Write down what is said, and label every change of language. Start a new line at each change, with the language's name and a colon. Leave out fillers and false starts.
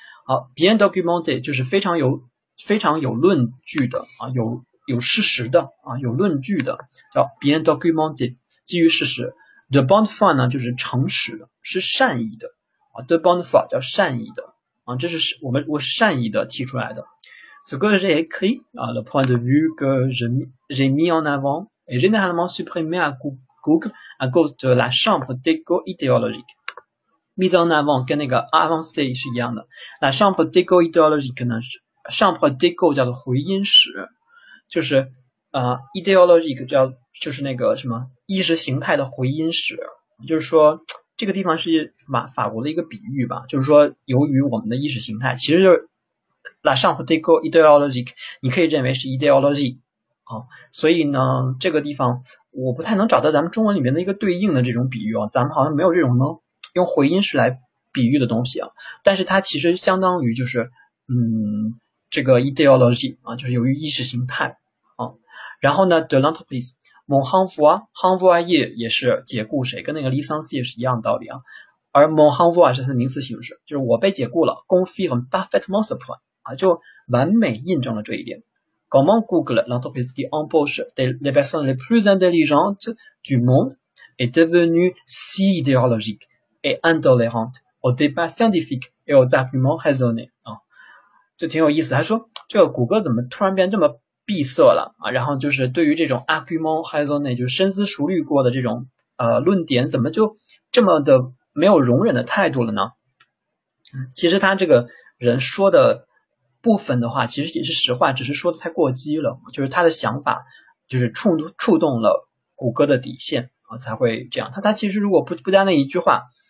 Chinese: 好，
French: bien documenté
Chinese: 就是非常有论据的啊，有事实的啊，有论据的叫 bien documenté，基于事实。
French: De bonne foi
Chinese: 呢，就是诚实的，是善意的啊，de bonne foi 叫善意的啊，这是我善意的提出来的。
French: Ce que j'ai écrit 啊，le point de vue que j'ai mis en avant est généralement supprimé à coup。 Google à cause de la chambre d'écho idéologique mise en avant
Chinese: 跟那个
French: avancée
Chinese: 是一样的。
French: La chambre d'écho idéologique
Chinese: 呢是 chambre d'écho 叫做回音室，就是idéologique 叫就是那个什么意识形态的回音室，就是说这个地方是法国的一个比喻吧，就是说由于我们的意识形态，其实就是
French: la chambre d'écho idéologique，
Chinese: 你可以认为是 ideology。啊，所以呢，这个地方我不太能找到咱们中文里面的一个对应的这种比喻啊，咱们好像没有这种能用回音室来比喻的东西啊。但是它其实相当于就是，这个 ideology 啊，就是由于意识形态啊。然后呢，
French: de l'entreprise mon renvoi
Chinese: 也是解雇谁，跟那个 licencié 也是一样的道理啊。而 mon renvoi 是它的名词形式，就是我被解雇了，
French: confirme parfaitement ce point
Chinese: 啊，就完美印证了这一点。
French: Comment Google, l'entreprise qui embauche les personnes les plus intelligentes du monde, est devenue si idéologique et intolérante aux débats scientifiques et aux arguments raisonnés？
Chinese: 就挺有意思。他说这个谷歌怎么突然变这么闭塞了啊？然后就是对于这种
French: argument raisonné
Chinese: 就是深思熟虑过的这种论点，怎么就这么的没有容忍的态度了呢？其实他这个人说的。部分的话其实也是实话，只是说的太过激了，就是他的想法就是触动了谷歌的底线啊，才会这样。他其实如果不加那一句话，